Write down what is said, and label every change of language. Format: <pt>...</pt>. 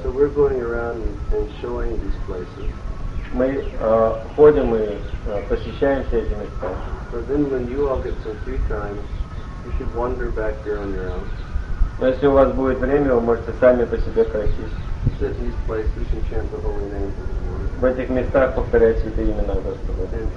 <en>So we're going around and showing these places.</en> <ru>Мы ходим и посещаем все эти места.</ru> <en>So then when you all get some free time, you should wander back there on your own.</en> <ru>Но если у вас будет время, вы можете сами по себе пройтись. В этих местах повторять святые имена Господа.</ru>